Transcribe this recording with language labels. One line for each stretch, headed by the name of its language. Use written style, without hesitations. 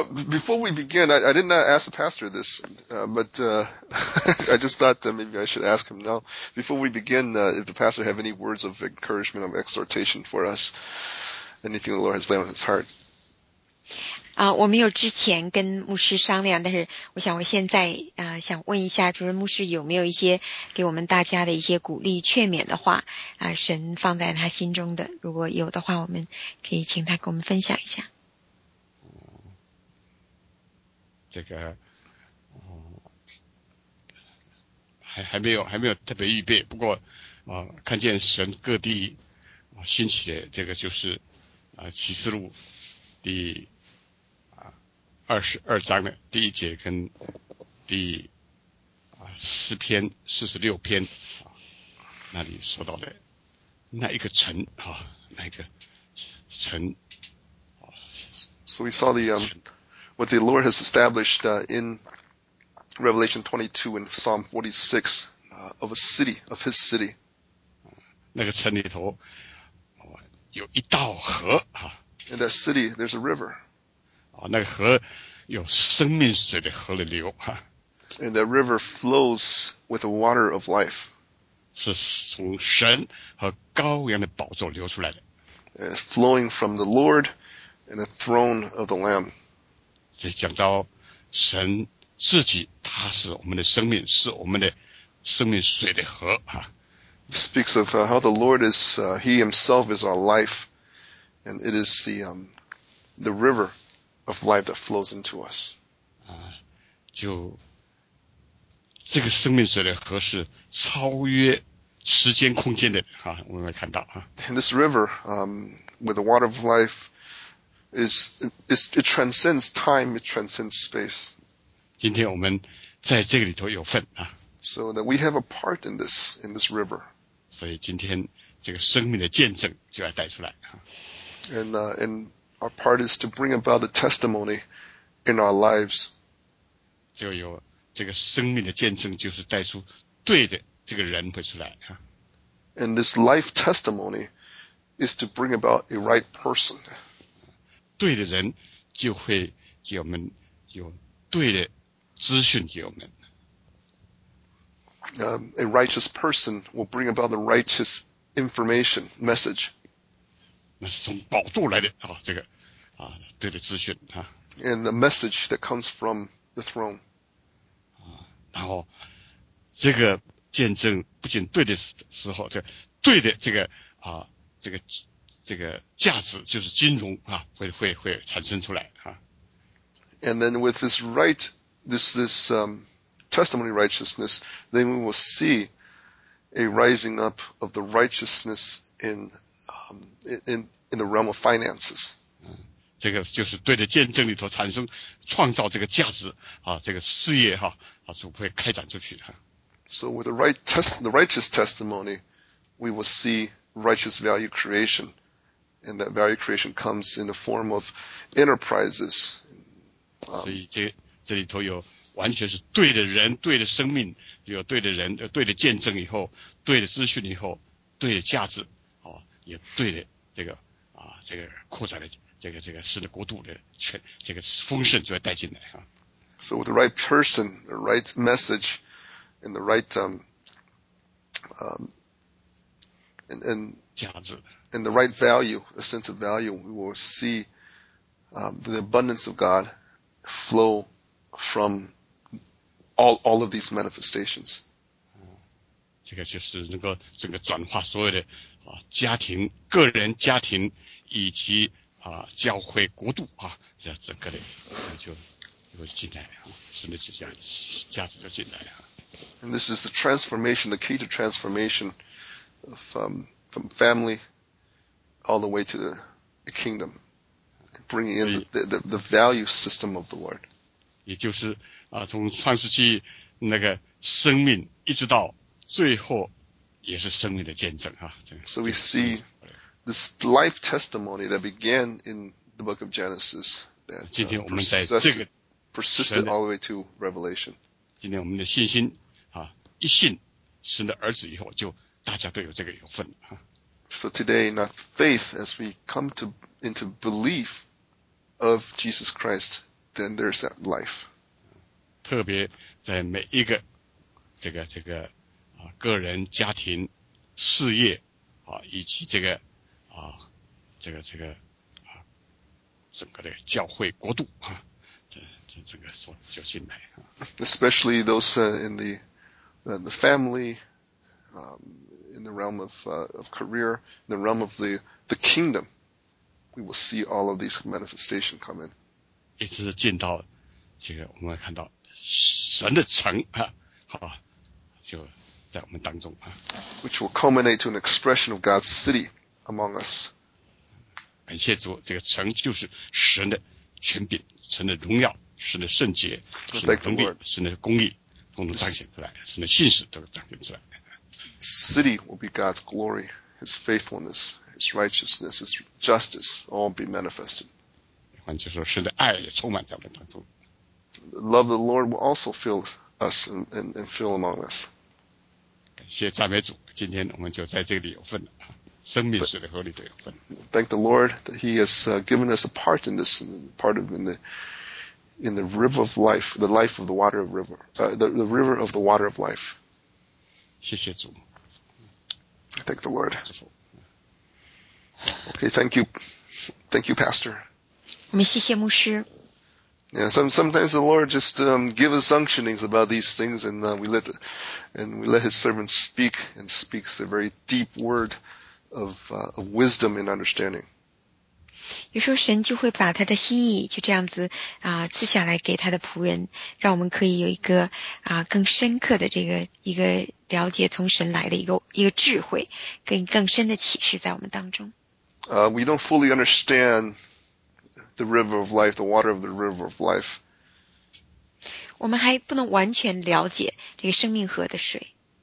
English: Before we begin, I did not ask the pastor this, but I just thought that maybe I should ask him now. Before we begin, if the pastor have any words of encouragement, of exhortation for us, anything the Lord has laid on his heart.
Chinese: 我没有之前跟牧师商量，但是我想我现在想问一下主任牧师有没有一些给我们大家的一些鼓励劝勉的话神放在他心中的，如果有的话，我们可以请他给我们分享一下。这个还没有特别预备，不过看见神各地兴起的这个就是启示录第22章的第一节跟第诗篇46篇那里说到的那一个城那一个城。
English: So we saw the what the Lord has established in Revelation 22 and Psalm 46 of a city, of his city.
Chinese: 那个城里头有一道河
English: In that city, there's a river.
Chinese: 那个河有生命水的河的流
English: And that river flows with the water of life.
Chinese: 是从神和羔羊的宝座流出来的
English: Flowing from the Lord and the throne of the Lamb.
Chinese: 这讲到神自己，他是我们的生命，是我们的生命水的河哈。
English: Speaks of how the Lord is, He Himself is our life, and it is the river of life that flows into us. 就
Chinese: 这个生命水的河是超越时间空间的啊，我们来看到啊。
English: And this river, with the water of life, it transcends time, it transcends space.
Chinese: 今天我们在这个里头有份啊。
English: So that we have a part in this river.
Chinese: 所以今天这个生命的见证就要带出来啊。
English: And our part is to bring about the testimony in our lives.
Chinese: 就有这个生命的见证就是带出对的这个人会出来啊。
English: And this life testimony is to bring about a right person.
Chinese: 对的人就会给我们有对的资讯给我们。
English: A righteous person will bring about the righteous information, message.
Chinese: 那是从宝座来的啊，这个啊，对的资讯啊。
English: And the message that comes from the throne.
Chinese: 啊，然后这个见证不仅对的时候，这对的这个啊，这个价值就是金融啊，会产生出来啊。
English: And then with this right, this testimony righteousness, then we will see a rising up of the righteousness in the realm of finances.
Chinese: 这个就是对的见证里头产生创造这个价值啊，这个事业哈啊就会开展出去哈。
English: So with the righteous testimony, we will see righteous value creation, and that value creation comes in the form of enterprises.
Chinese: 所以这里头有完全是对的人、对的生命，有对的人、对的见证以后、对的资讯以后、对的价值，哦，也对的这个啊，这个扩展的这个新的国度的全这个丰盛就要带进来啊。
English: So with the right person, the right message, and the right and
Chinese: 价值
English: and the right value, a sense of value, we will see the abundance of God flow from all of these manifestations.
Chinese: 这个就是能够整个转化所有的啊家庭、个人家庭以及啊教会、国度啊，这整个的就进来啊，神的价值就进来了。
English: And this is the transformation, the key to transformation from family all the way to the kingdom, bringing in the value system of the Lord.
Chinese: 也就是啊，从创世纪那个生命一直到最后也是生命的见证啊。
English: So we see this life testimony that began in the book of Genesis that
Chinese: 今天我们在这个
English: persisted all the way to Revelation.
Chinese: 今天我们的信心啊，一信神的儿子以后，就大家都有这个有份啊。
English: So today in our faith, as we come into belief of Jesus Christ, then there's that life.
Chinese: 特别在每一个这个啊个人、家庭、事业啊，以及这个啊这个啊整个的教会、国度啊，这个所就进来啊。
English: Especially those in the family, in the realm of career, in the realm of the kingdom, we will see all of these manifestation come in.
Chinese: 一直进到这个，我们看到神的城啊，好啊，就在我们当中啊。
English: Which will culminate to an expression of God's city among us.
Chinese: 感谢主，这个城就是神的权柄，神的荣耀，神的圣洁，神的能力，神的公义，统统彰显出来，神的信实都彰显出来。
English: City will be God's glory, His faithfulness, His righteousness, His justice, all be manifested.
Chinese: 换句话说，神的爱也充满在我们当中。
English: The love of the Lord will also fill us and fill among us.
Chinese: 感谢赞美主，今天我们就在这里有份了，生命水的河里都有份。
English: Thank the Lord that He has given us a part in this, part of in the river of life, the life of the water of river, the river of the water of life.
Chinese: 谢谢主。
English: Thank the Lord. Okay, thank you. Thank you, Pastor.
Chinese: 我们谢谢牧师。
English: Yeah, sometimes the Lord just give us unctionings about these things, and we let His servant speak, and speaks a very deep word of wisdom and understanding.
Chinese: 有时候神就会把他的心意就这样子赐下来给他的仆人，让我们可以有一个更深刻的这个一个了解从神来的一个智慧，更深的启示在我们当中。
English: We don't fully understand the river of life, the water of the river of life.
Chinese: 我们还不能完全了解这个生命河的水。